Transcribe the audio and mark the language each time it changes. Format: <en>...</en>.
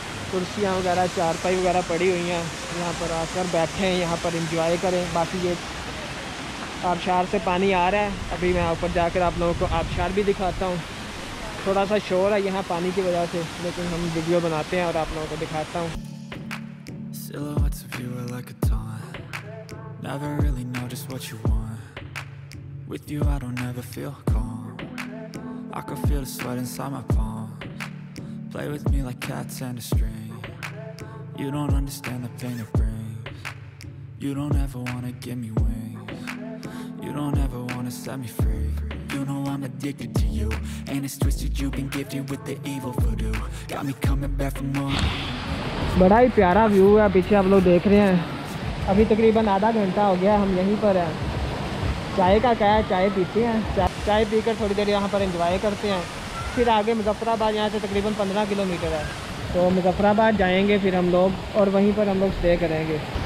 <hi>कुर्सियाँ वगैरह चारपाई वगैरह पड़ी हुई हैं, यहाँ पर आकर बैठें, यहाँ पर इंजॉय करें। बाकी ये आबशार से पानी आ रहा है, अभी मैं ऊपर जाकर आप लोगों को आबशार भी दिखाता हूँ। थोड़ा सा शोर है यहाँ पानी की वजह से, लेकिन हम वीडियो बनाते हैं और आप लोगों को दिखाता हूँ।</hi> <en>Silhouettes of you are like a taunt, never really know just what you want. With you I don't ever feel calm, I can feel the sweat inside my palms. Play with me like cats and a string, you don't understand the pain it brings. You don't ever wanna give me wings, you don't ever wanna set me free. You know I'm addicted to you, and it's twisted you've been gifted with the evil voodoo. Got me coming back for more.</en> <hi>बड़ा ही प्यारा view है पीछे आप लोग देख रहे हैं। अभी तकरीबन आधा घंटा हो गया हम यहीं पर हैं, चाय का क्या है, चाय पीते हैं, चाय पीकर थोड़ी देर यहाँ पर इंजॉय करते हैं, फिर आगे मुजफ्फराबाद, यहाँ से तकरीबन 15 किलोमीटर है तो मुजफ्फराबाद जाएंगे फिर हम लोग, और वहीं पर हम लोग स्टे करेंगे।</hi>